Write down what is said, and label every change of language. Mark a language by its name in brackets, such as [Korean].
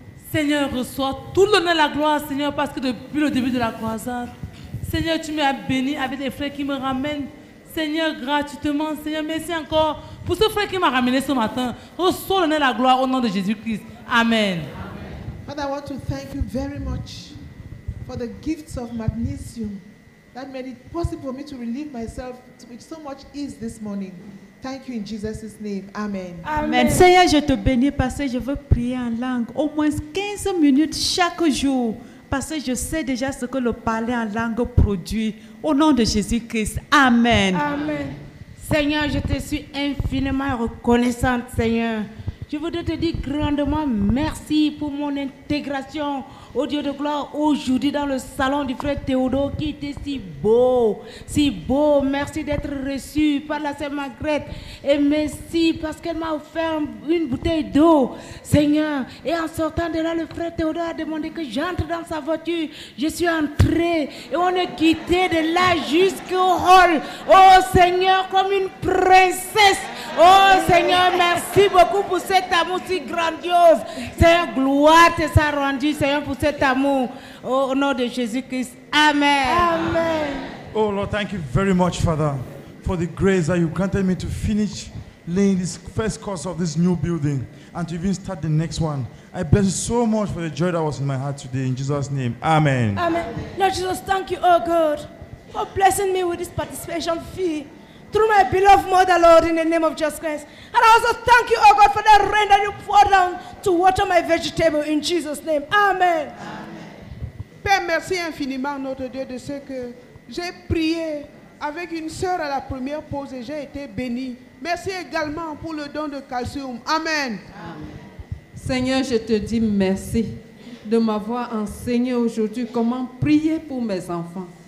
[French] Seigneur, reçois tout l'honneur et la gloire, Seigneur, parce que depuis le début de la croisade, Seigneur, tu m'as béni avec des frères qui me ramènent. Seigneur, gratuitement, Seigneur, merci encore pour ce frère qui m'a ramené ce matin. Reçois l'honneur et la gloire au nom de Jésus-Christ. Amen. [English] Father, I want to thank you very much for the gifts of magnesium that made it possible for me to relieve myself with so much ease this morning. Thank you in Jesus' name. Amen. Amen. [French] Seigneur, je te bénis parce que je veux prier en langue au moins 15 minutes chaque jour parce que je sais déjà ce que le parler en langue produit. Au nom de Jésus-Christ. Amen. Amen. Seigneur, je te suis infiniment reconnaissante, Seigneur. Je voudrais te dire grandement merci pour mon intégration au Dieu de gloire aujourd'hui dans le salon du frère Théodore qui était si beau, si beau. Merci d'être reçu par la sœur Margrethe et merci parce qu'elle m'a offert une bouteille d'eau, Seigneur. Et en sortant de là, le frère Théodore a demandé que j'entre dans sa voiture. Je suis entrée et on est quitté de là jusqu'au hall. Oh Seigneur, comme une princesse. Oh Seigneur, merci beaucoup pour cet amour si grandiose. Seigneur, gloire te sera rendue, Seigneur, pour cet amour au nom de Jésus-Christ. Amen. Amen. [English] Oh Lord, thank you very much, Father, for the grace that you granted me to finish laying this first course of this new building and to even start the next one. I bless you so much for the joy that was in my heart today, in Jesus' name. Amen. Amen. Lord Jesus, thank you, oh God, for blessing me with this participation fee through my beloved mother, Lord, in the name of Jesus Christ. And I also thank you, oh God, for the rain that you poured down to water my vegetable in Jesus' name. Amen. [French] Père, merci infiniment, notre Dieu, de ce que j'ai prié avec une sœur à la première pause et j'ai été bénie. Merci également pour le don de calcium. Amen. Amen. Seigneur, je te dis merci de m'avoir enseigné aujourd'hui comment prier pour mes enfants.